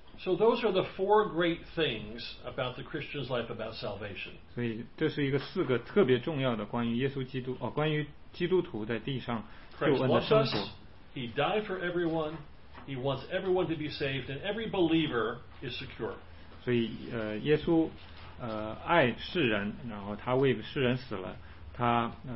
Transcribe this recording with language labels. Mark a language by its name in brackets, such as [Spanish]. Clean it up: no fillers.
[English] So those are the four great things about the Christian's life about salvation. [Chinese] 所以这是一个四个特别重要的关于耶稣基督，关于基督徒在地上救恩的生活。 [English] He died for everyone. He wants everyone to be saved, and every believer is secure. [Chinese] 所以耶稣爱世人，然后他为世人死了，他